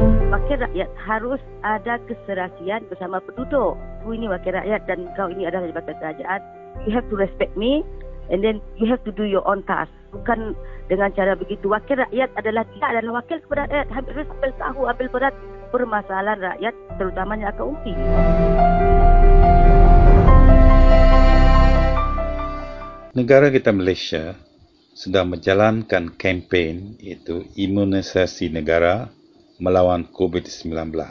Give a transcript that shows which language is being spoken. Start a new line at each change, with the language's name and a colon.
Malay: Wakil rakyat harus ada keserasian bersama penduduk. Aku ini wakil rakyat dan kau ini adalah jabatan kerajaan.
English: You have to respect me and then you have to do your own task.
Malay: Bukan dengan cara begitu. Wakil rakyat adalah dia adalah wakil kepada rakyat. Harus ambil tahu, ambil berat permasalahan rakyat, terutamanya akan umpi. Negara kita Malaysia sedang menjalankan kempen iaitu imunisasi negara melawan COVID-19.